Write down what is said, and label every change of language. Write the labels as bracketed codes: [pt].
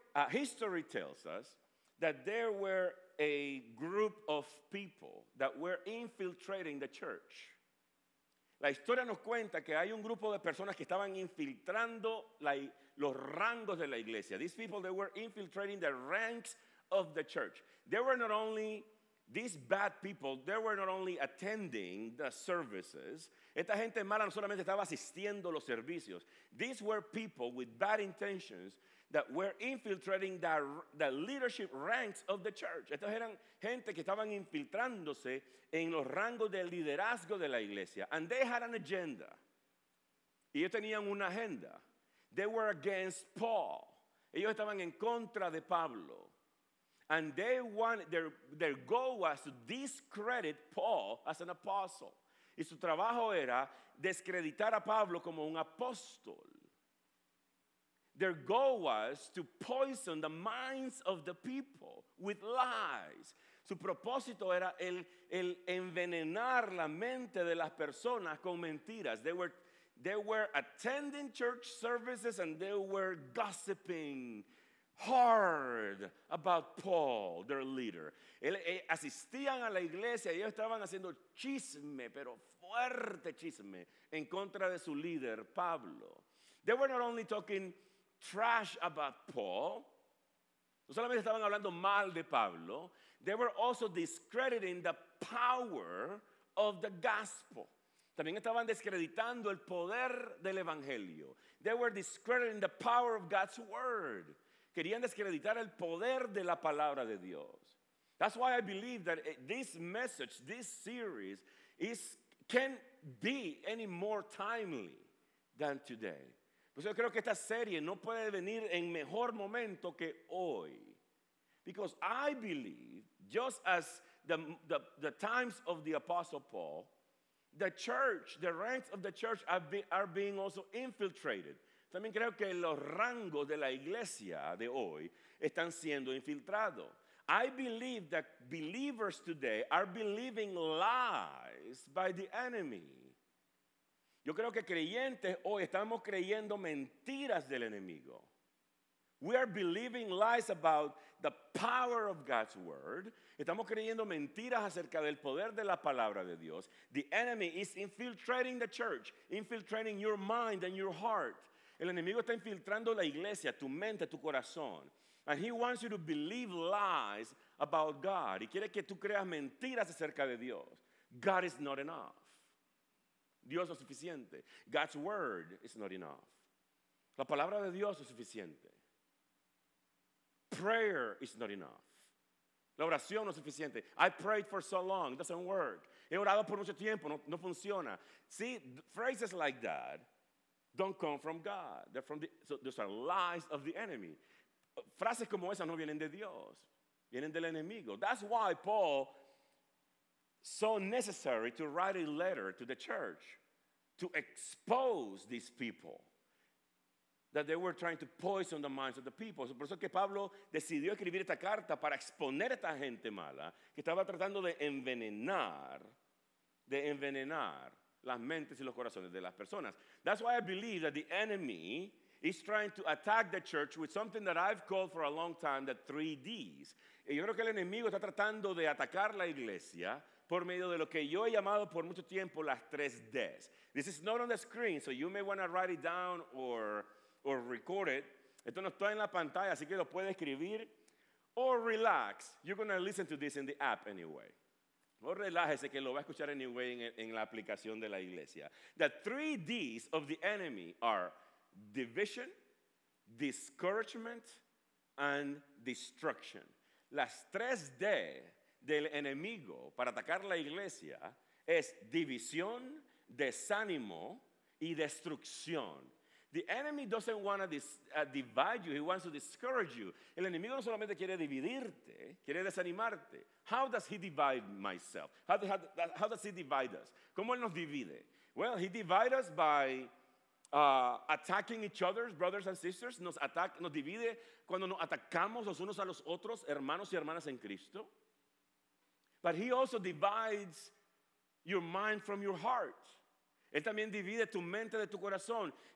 [en] History tells us that there were a group of people that were infiltrating the church. [es] La historia nos cuenta que hay un grupo de personas que estaban infiltrando los rangos de la iglesia. [en] These people, they were infiltrating the ranks of the church. They were not only these bad people, they were not only attending the services. [es] Esta gente mala no solamente estaba asistiendo los servicios. [en] These were people with bad intentions that were infiltrating the leadership ranks of the church. [es] Estos eran gente que estaban infiltrándose en los rangos del liderazgo de la iglesia. [en] And they had an agenda. [es] Y ellos tenían una agenda. [en] They were against Paul. [es] Ellos estaban en contra de Pablo. [en] And they wanted, their goal was to discredit Paul as an apostle. [es] Y su trabajo era descreditar a Pablo como un apóstol. [en] Their goal was to poison the minds of the people with lies. [es] Su propósito era el envenenar la mente de las personas con mentiras. [en] They were attending church services and they were gossiping hard about Paul, their leader. [es] Asistían a la iglesia y ellos estaban haciendo chisme, pero fuerte chisme, en contra de su líder, Pablo. [en] They were not only talking trash about Paul, [es] No solamente estaban hablando mal de Pablo, [en] they were also discrediting the power of the gospel. [es] También estaban descreditando el poder del evangelio. [en] They were discrediting the power of God's word. [es] Querían descreditar el poder de la palabra de Dios. [en] That's why I believe that this message, this series, can't be any more timely than today. [es] Pues yo creo que esta serie no puede venir en mejor momento que hoy. [en] Because I believe, just as the times of the Apostle Paul, the church, the ranks of the church are being also infiltrated. [es] También creo que los rangos de la iglesia de hoy están siendo infiltrados. [en] I believe that believers today are believing lies by the enemy. [es] Yo creo que creyentes hoy estamos creyendo mentiras del enemigo. [en] We are believing lies about the power of God's word. [es] Estamos creyendo mentiras acerca del poder de la palabra de Dios. [en] The enemy is infiltrating the church, infiltrating your mind and your heart. [es] El enemigo está infiltrando la iglesia, tu mente, tu corazón. [en] And he wants you to believe lies about God. [es] Y quiere que tú creas mentiras acerca de Dios. [en] God is not enough. [es] Dios no es suficiente. [en] God's word is not enough. [es] La palabra de Dios es suficiente. [en] Prayer is not enough. [es] La oración no es suficiente. [en] I prayed for so long, it doesn't work. [es] He orado por mucho tiempo, no funciona. [en] See, phrases like that don't come from God. They're from those are lies of the enemy. [es] Frases como esas no vienen de Dios, vienen del enemigo. [en] That's why Paul saw necessary to write a letter to the church to expose these people that they were trying to poison the minds of the people. [es] Por eso que Pablo decidió escribir esta carta para exponer a esta gente mala que estaba tratando de envenenar las mentes y los corazones de las personas. [en] That's why I believe that the enemy is trying to attack the church with something that I've called for a long time, the 3 D's. [es] Y yo creo que el enemigo está tratando de atacar la iglesia por medio de lo que yo he llamado por mucho tiempo las 3 D's. [en] This is not on the screen, so you may want to write it down or record it. [es] Esto no está en la pantalla, así que lo puede escribir. [en] Or relax, you're going to listen to this in the app anyway. [es] O relájese que lo va a escuchar anyway en la aplicación de la iglesia. [en] The 3 D's of the enemy are division, discouragement, and destruction. [es] Las 3 D del enemigo para atacar la iglesia es división, desánimo, y destrucción. [en] The enemy doesn't want to divide you. He wants to discourage you. [es] El enemigo no solamente quiere dividirte, quiere desanimarte. [en] How does he divide myself? How does he divide us? [es] ¿Cómo él nos divide? [en] Well, he divides us by attacking each other, brothers and sisters. [es] Nos divide cuando nos atacamos los unos a los otros, hermanos y hermanas en Cristo. [en] But he also divides your mind from your heart. [es] Él también divide tu mente de tu corazón.